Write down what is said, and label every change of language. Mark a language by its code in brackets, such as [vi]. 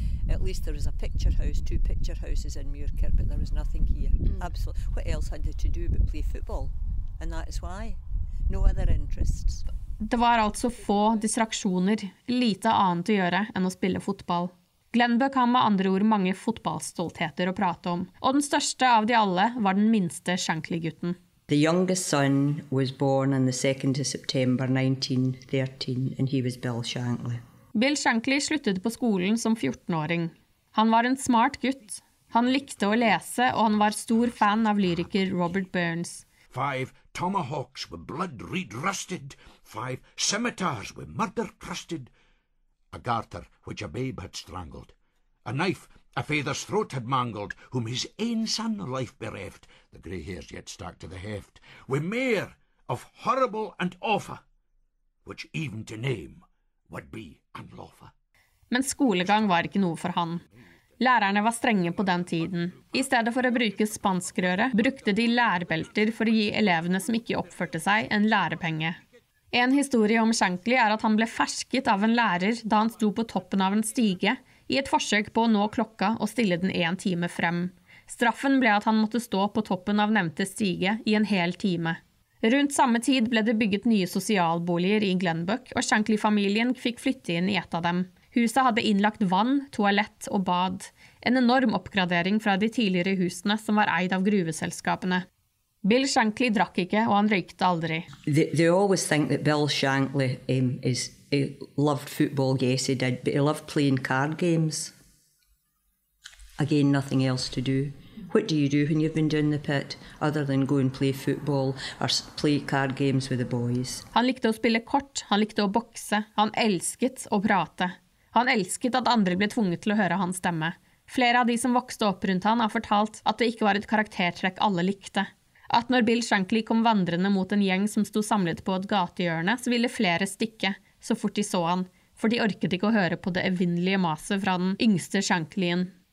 [en] At least there was a picture house, two picture houses in Muirkirk, but there was nothing here. Mm. Absolutely. What else had they to do but play football? And that is why. No other interests. [no] Det var altså få distraksjoner, lite annet å gjøre enn å spille fotball. Glenbuck har med andre ord mange fotballstoltheter å prate om, og den største av de alle var den minste Shankly-gutten. [en] The youngest son was born on the 2nd of September 1913, and he was Bill Shankly. [no] Bill Shankly sluttet på skolen som 14-åring. Han var en smart gutt. Han likte å lese, og han var stor fan av lyriker Robert Burns. [en] 5 tomahawks were blood red rusted. 5 scimitars were murder crusted. A garter which a babe had strangled. A knife a father's throat had mangled, whom his ain son life bereft, the grey hairs yet stuck to the heft, were mair of horrible and awful, which even to name would be unlawful. [no] Men skolegang var ikke noe for han. Lærerne var strenge på den tiden. I stedet for å bruke spanskrøret, brukte de lærbelter for å gi elevene som ikke oppførte seg, en lærepenge. En historie om Shankly at han ble fersket av en lærer da han sto på toppen av en stige i et forsøk på å nå klokka og stille den en time frem. Straffen ble at han måtte stå på toppen av nevnte stige i en hel time. Rundt samme tid ble det bygget nye sosialboliger i Glenbuck, og Shankly-familien fikk flytte inn i et av dem. Huset hadde innlagt vann, toalett og bad. En enorm oppgradering fra de tidligere husene som var eid av gruveselskapene. Bill Shankly drakk ikke, og han røykte aldri. [en] They always think that Bill Shankly he loved football, yes he did, but he loved playing card games. Again, nothing else to do. What do you do when you've been down the pit, other than go and play football or play card games with the boys? [no] Han likte å spille kort, han likte å bokse, han elsket å prate. Han elsket at andre ble tvunget til å høre hans stemme. Flere av de som vokste opp rundt han har fortalt at det ikke var et karaktertrekk alle likte. At når Bill Shankly kom vandrende mot en gjeng som sto samlet på et gatehjørne, så ville flere stikke, så fort de så han, for de orket ikke å høre på det evinnelige maset fra den yngste Shanklyen.